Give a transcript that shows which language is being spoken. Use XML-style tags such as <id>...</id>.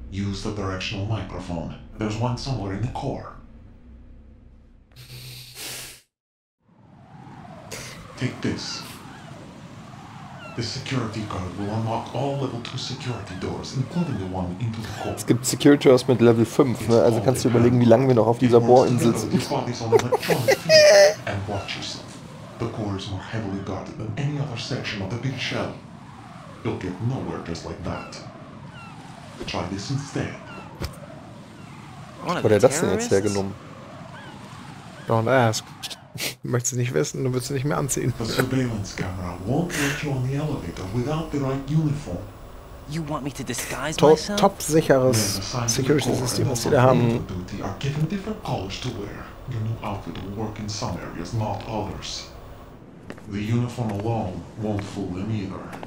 <en>Use the directional microphone. There's one somewhere in the core. Take this. The security guard will unlock all level 2 security doors, including the one into the core.</en> <de>Es gibt Security Doors mit Level 5, ne? Also kannst du überlegen, wie lange wir noch auf dieser Bohrinsel sind.</de> <en>The core is more heavily guarded than any other section of the big shell. You'll get nowhere just like that. Try this instead.</en> <de>Wo hat er das denn jetzt hergenommen?</de> <en>Don't ask.</en> <de>Möchtest du nicht wissen, dann würdest du nicht mehr anziehen.</de> <en>The surveillance camera won't let you on the elevator without the right uniform. You want me to disguise myself?</en> <de>Top sicheres Security System, was sie da haben.</de> <en>Duty are given different colors to wear. Your new outfit will work in some areas, not others. The uniform alone won't fool them either.</en>